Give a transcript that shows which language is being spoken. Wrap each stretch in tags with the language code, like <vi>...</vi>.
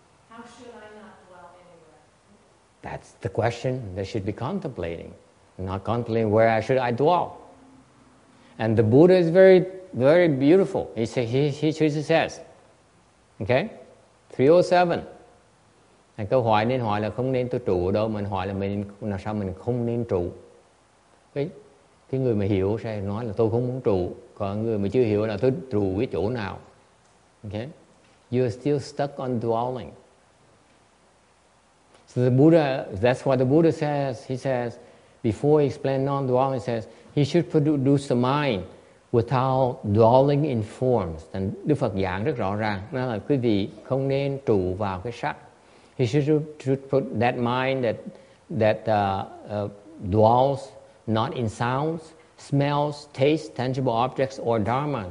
<en>How should I not dwell anywhere? That's the question they should be contemplating. Not contemplating where should I dwell. And the Buddha is very, very beautiful. He says, 307.</en> <vi>Câu hỏi nên hỏi là không nên tôi trụ đâu, mình hỏi là mình làm sao mình không nên trụ. Cái người mà hiểu sẽ nói là tôi không muốn trụ, còn người mà chưa hiểu là tôi trụ cái chỗ nào.</vi> <en>Okay? You're still stuck on dwelling. So the Buddha, that's what the Buddha says. He says, before he explains non-dwelling, he says, he should produce the mind without dwelling in forms.</en> <vi>And Đức Phật giảng rất rõ ràng, nói là quý vị không nên trụ vào cái sắc.</vi> <en>He should put that mind that dwells not in sounds, smells, tastes, tangible objects, or dharma.</en>